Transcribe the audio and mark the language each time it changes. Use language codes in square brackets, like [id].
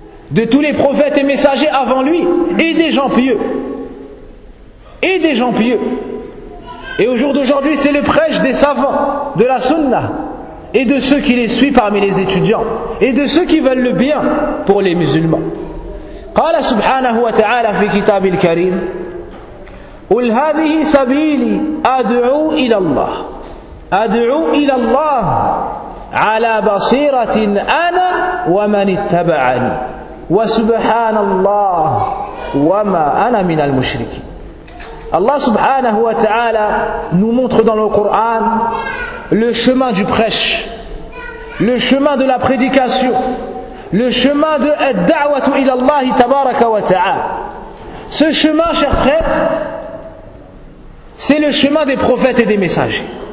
[fr] De tous les prophètes et messagers avant lui, et des gens pieux. Et des gens pieux. Et au jour d'aujourd'hui, c'est le prêche des savants, de la sunna, et de ceux qui les suivent parmi les étudiants, et de ceux qui veulent le bien pour les musulmans. [ar] قال سبحانه وتعالى في كتاب الكريم قل هذه سبيلي أدعو إلى الله أدعو إلى الله على بصيرة أنا ومن اتبعني وسبحان الله وما أنا من المشركين. الله سبحانه وتعالى [fr] nous montre dans le Coran le chemin du prêche, le chemin de la prédication, le chemin de [ar] ad-da'watu ila Allah tabaraka wa ta'ala. [fr] Ce chemin, chers frères, c'est le chemin des prophètes et des messagers.